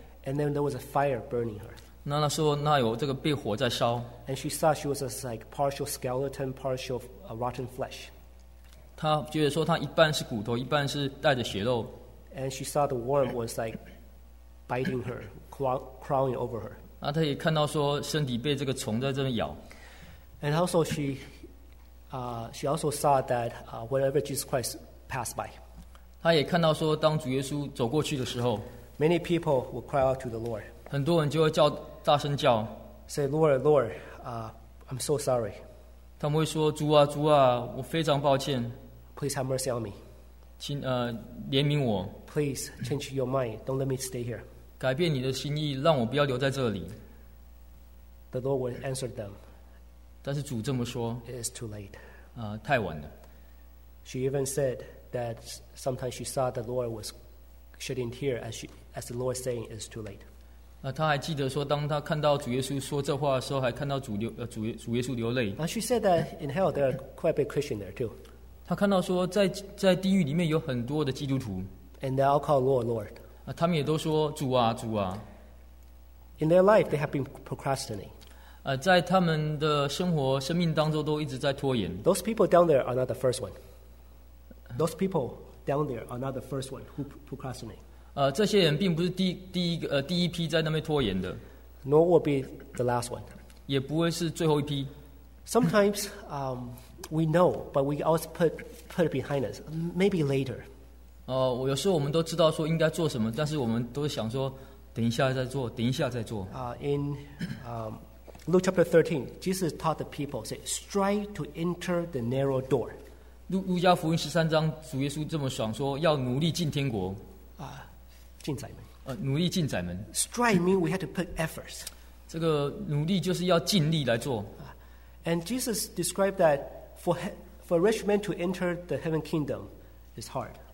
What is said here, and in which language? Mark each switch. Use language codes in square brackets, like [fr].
[en] And then there was a fire burning her. [zh] 那时候那有这个被火在烧。 [en] And she saw she was a like partial skeleton, partial rotten flesh. [zh] 她觉得说她一半是骨头，一半是带着血肉。 [en] And she saw the worm was like biting her, crawling over her. [zh] 那她也看到说身体被这个虫在这边咬。 [en] And also she also saw that whenever Jesus Christ passed by. [zh] 她也看到说当主耶稣走过去的时候。 [en] Many people would cry out to the Lord. [zh] 很多人就会叫大声叫。 [en] Say, Lord, Lord, I'm so sorry. [zh] 他们会说，主啊，主啊，我非常抱歉。 [en] Please have mercy on me. [zh] 请怜悯我。 [en] Please change your mind. Don't let me stay here. [zh] 改变你的心意，让我不要留在这里。 [en] The Lord would answer them. [zh] 但是主这么说。 [en] It is too late. [zh] 太晚了。 [en] She even said that sometimes she saw the Lord was shedding tears as the Lord saying, "It's too late." [zh] 她还记得说，当她看到主耶稣说这话的时候，还看到主耶稣流泪。 [en] And she said that in hell there are quite a bit of Christian there too. [zh] 她看到说，在地狱里面有很多的基督徒。 [en] And they all call Lord, Lord. [zh] 他们也都说主啊，主啊。 [en] In their life, they have been procrastinating. [zh] 在他们的生活生命当中，都一直在拖延。 [en] Those people down there are not the first one. Those people down there are not the first one who procrastinate. [zh] 这些人并不是第一批在那边拖延的。 [en] Nor will be the last one. [zh] 也不会是最后一批。 [en] Sometimes we know, but we always put it behind us. Maybe later. [zh] 有时候我们都知道说应该做什么，但是我们都想说等一下再做。 [en] In Luke chapter 13, Jesus taught the people, say, strive to enter the narrow door. [zh] 路加福音13章, 主耶稣这么爽说, 要努力进天国。进窄门。 [en] Strive means we have to put efforts. [zh] 这个努力就是要尽力来做。 [en] And Jesus described that for a rich man to enter the heaven kingdom is hard.